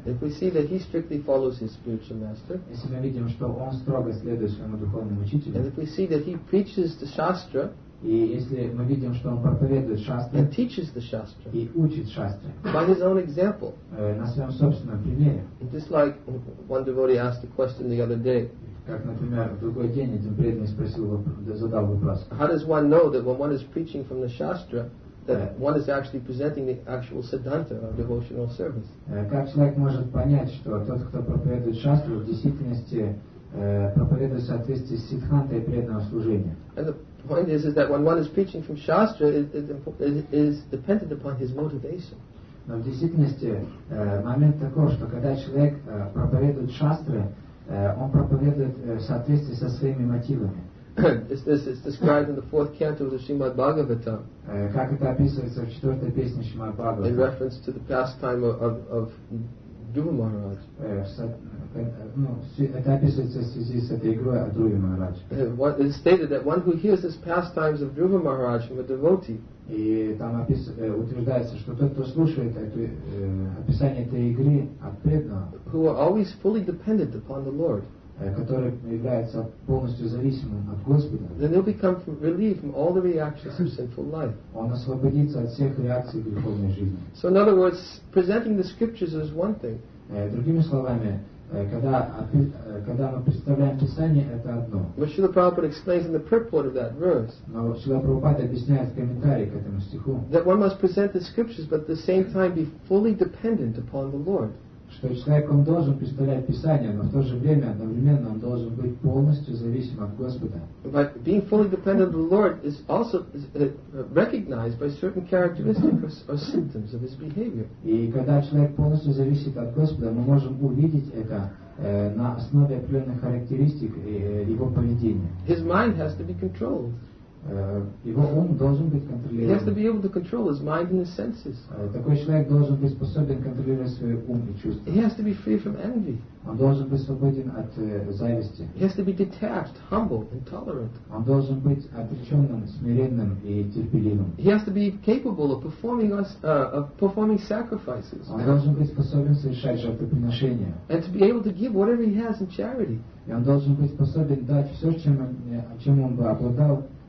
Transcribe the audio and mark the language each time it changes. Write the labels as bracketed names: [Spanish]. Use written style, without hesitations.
[English] If we see that he strictly follows his spiritual master, [Russian] если мы видим, что он строго следует своему духовному учителю, [English] and if we see that he preaches the Shastra, [Russian] и если мы видим, что он проповедует Шастру, [English] and teaches the Shastra, [Russian] и учит Шастре, [English] by his own example, [Russian] на своем собственном примере, [English] just like one devotee asked a question the other day, [Russian] как, например, в другой день один преданный спросил, задал вопрос. [English] How does one know that when one is preaching from the Shastra, that one is actually presenting the actual siddhanta of devotional service? [Russian] Как человек может понять, что тот, кто проповедует шастру, в действительности проповедует в соответствии с сиддхантой преданного служения? [English] And the point is that when one is preaching from shastra, it is dependent upon his motivation. [Russian] Но в действительности момент такой, что когда человек проповедует шастры, он проповедует в соответствии со своими мотивами. [English] It's described in the fourth canto of the Srimad Bhagavatam. [Russian] Как это описывается в четвертой песне Шримад Бхагаватам? [English] In reference to the pastime of Друва Махарадж. [Russian] Это описывается в связи с этой игрой о Друве Махарадж. [English] It is stated that one who hears this pastimes of Друва Махарадж from a devotee. [Russian] И там утверждается, что тот, кто слушает это описание этой игры от преданного, [English] who are always fully dependent upon the Lord, [Russian] который является полностью зависимым от Господа, [English] then he'll become relieved from all the reactions of sinful life. [Russian] Он освободится от всех реакций греховной жизни. [English] So in other words, presenting the scriptures is one thing. [Russian] Другими словами, когда мы представляем Писание, это одно. [English] But Srila Prabhupada explains in the purport of that verse, [Russian] но Srila Prabhupada объясняет в комментарии к этому стиху, [English] that one must present the scriptures, but at the same time be fully dependent upon the Lord. [Russian] Что человек он должен представлять Писание, но в то же время одновременно он должен быть полностью зависим от Господа. [English] But being fully dependent on the Lord is also recognized by certain characteristics or symptoms of his behavior. [Russian] И когда человек полностью зависит от Господа, мы можем увидеть это на основе определенных характеристик его поведения. [English] His mind has to be controlled. [Russian] Его ум должен быть контролирован. [English] He has to be able to control his mind and his senses. [Russian] Такой человек должен быть способен контролировать свой ум и чувства. [English] He has to be free from envy. [Russian] Он должен быть свободен от зависти. [English] He has to be detached, humble, and tolerant. [Russian] Он должен быть отреченным, смиренным и терпеливым. [English] He has to be capable of performing sacrifices. [Russian] Он должен быть способен совершать жертвоприношения. [English] And to be able to give whatever he has in charity. [Russian] И он должен быть способен дать все, чем он бы обладал.